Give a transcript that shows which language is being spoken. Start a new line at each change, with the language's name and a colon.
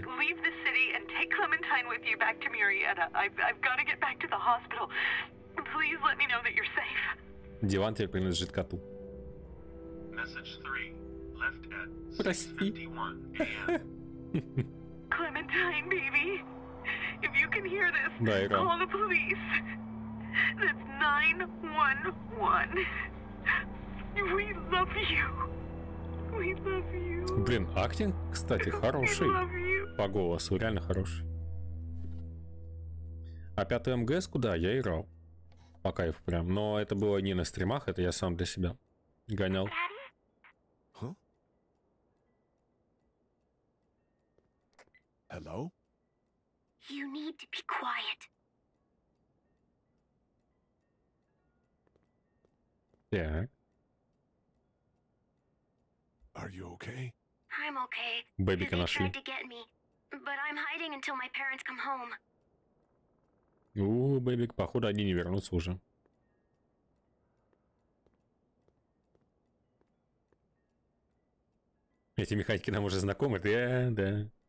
English: Leave the city and take Clementine with you back to Murrieta. I've got to get back to the hospital. Please let me know that you're safe.
Russian: Диван теперь принадлежит коту.
English: Message 3. Left at 6:51 a.m. Clementine, baby, if you can hear this, call the police. That's 911. We love you. We love you.
Russian: Блин, актинг, кстати, хороший. По голосу реально хороший. А пятый МГС куда? Я играл. По кайфу прям. Но это было не на стримах, это я сам для себя гонял.
English: Hello? You need to be quiet.
Russian: Так.
English: Are you okay? I'm okay.
Russian: Бэбика нашли.
English: They tried to get me, but I'm hiding until my parents come home.
Russian: Бэбик, походу, они не вернутся уже. Эти механики нам уже знакомы, да.